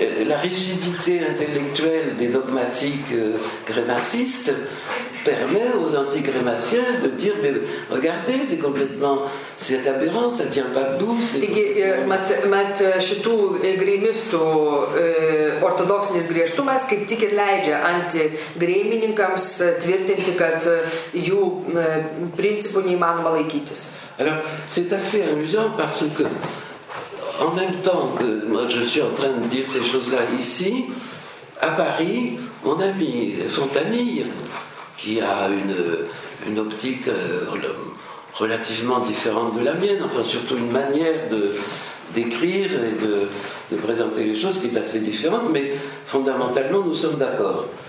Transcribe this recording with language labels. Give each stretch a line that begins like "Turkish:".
French: La rigidité intellectuelle des dogmatiques grémacistes permet aux anti-grémaciens de dire mais regardez, c'est complètement c'est aberrant, ça tient pas debout.
Lithuanian: Taigi, mat šitų grémistų ortodoksinis griežtumas kaip tik ir leidžia anti-grémininkams tvirtinti, kad jų principų neįmanoma laikytis.
French: Alors, c'est assez amusant parce que en même temps que moi je suis en train de dire ces choses-là ici, à Paris, mon ami Fontanille, qui a une optique relativement différente de la mienne, enfin surtout une manière d'écrire et de présenter les choses qui est assez différente, mais fondamentalement nous sommes d'accord.